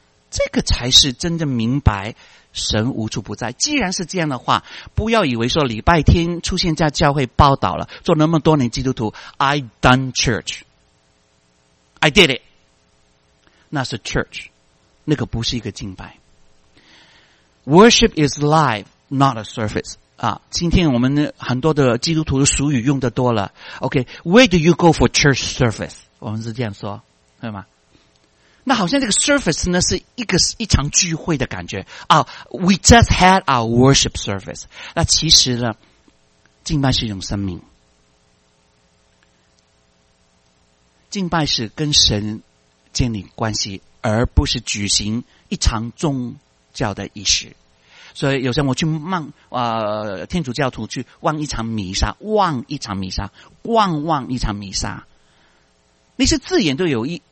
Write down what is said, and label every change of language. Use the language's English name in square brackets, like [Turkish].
[Chinese] 这个才是真正明白神无处不在。既然是这样的话，不要以为说礼拜天出现在教会报道了，做那么多年基督徒 [English] I done church， I did it. [Chinese] 那是 church， 那个不是一个敬拜。 [English] Worship is live, not a service. [Chinese] 啊，今天我们很多的基督徒的俗语用的多了。 [English] OK, where do you go for church service? [Chinese] 我们是这样说，对吗？那好像这个 service 呢是一个一场聚会的感觉啊。 [English] We just had our worship service. [Chinese] 那其实呢，敬拜是一种生命，敬拜是跟神建立关系，而不是举行一场宗教的仪式。所以有时候我去望天主教徒去望一场弥撒，望一场弥撒，望望一场弥撒，那些字眼都有意。